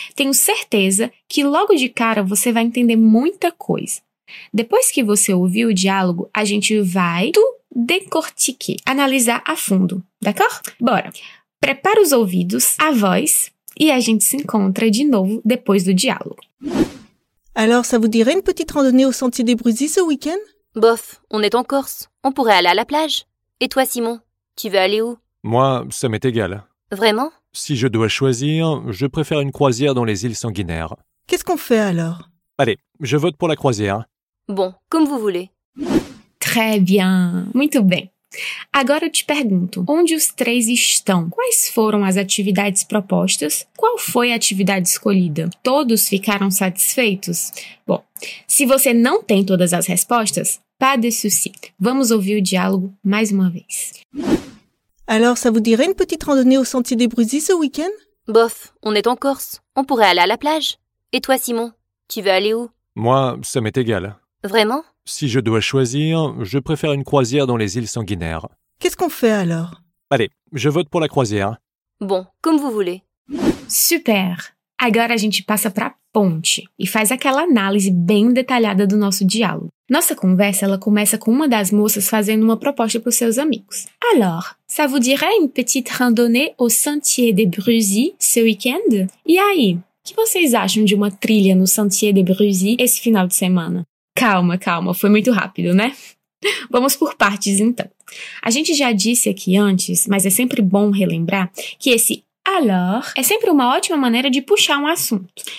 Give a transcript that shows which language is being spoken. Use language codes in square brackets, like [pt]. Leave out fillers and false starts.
[pt] Tenho certeza que logo de cara você vai entender muita coisa. Depois que você ouvir o diálogo, a gente vai [fr] tout décortiquer, [pt] analisar a fundo, d'accord? Bora! Prepara os ouvidos, a voz, e a gente se encontra de novo depois do diálogo. [fr] Alors, ça vous dirait une petite randonnée au sentier des Brusies ce week-end? Bof, on est en Corse. On pourrait aller à la plage. Et toi, Simon, tu veux aller où? Moi, ça m'est égal. Vraiment? Si je dois choisir, je préfère une croisière dans les îles Sanguinaires. Qu'est-ce qu'on fait alors? Allez, je vote pour la croisière. Bon, comme vous voulez. Très bien. [pt] Muito bem. Agora eu te pergunto, onde os três estão? Quais foram as atividades propostas? Qual foi a atividade escolhida? Todos ficaram satisfeitos? Bom, se você não tem todas as respostas, [fr] pas de souci. [pt] Vamos ouvir o diálogo mais uma vez. [fr] Alors, ça vous dirait une petite randonnée au sentier des Brusies ce week-end? Bof, on est en Corse. On pourrait aller à la plage. Et toi, Simon, tu veux aller où? Moi, ça m'est égal. Vraiment? Si je dois choisir, je préfère une croisière dans les îles Sanguinaires. Qu'est-ce qu'on fait alors? Allez, je vote pour la croisière. Bon, comme vous voulez. Super! [pt] Agora a gente passa para a ponte e faz aquela análise bem detalhada do nosso diálogo. Nossa conversa, ela começa com uma das moças fazendo uma proposta para os seus amigos. [fr] Alors, ça vous dirait une petite randonnée au sentier des Brusies ce week-end? [pt] E aí, o que vocês acham de uma trilha no sentier des Brusies esse final de semana? Calma, calma, foi muito rápido, né? Vamos por partes, então. A gente já disse aqui antes, mas é sempre bom relembrar, que esse alors é sempre uma ótima maneira de puxar um assunto.